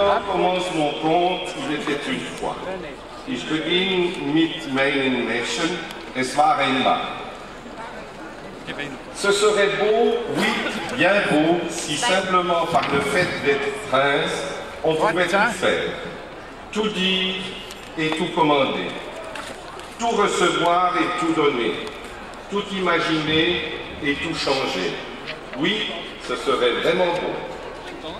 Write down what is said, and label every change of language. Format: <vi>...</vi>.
<fr>Commence mon conte, il était une fois.</fr> <de>Ich beginne mit meinen Märchen, es war einmal.</de> <fr>Ce serait beau, oui, bien beau, si simplement par le fait d'être prince, on pouvait tout faire, tout dire et tout commander, tout recevoir et tout donner. tout imaginer et tout changer. Oui, ce serait vraiment beau.</fr>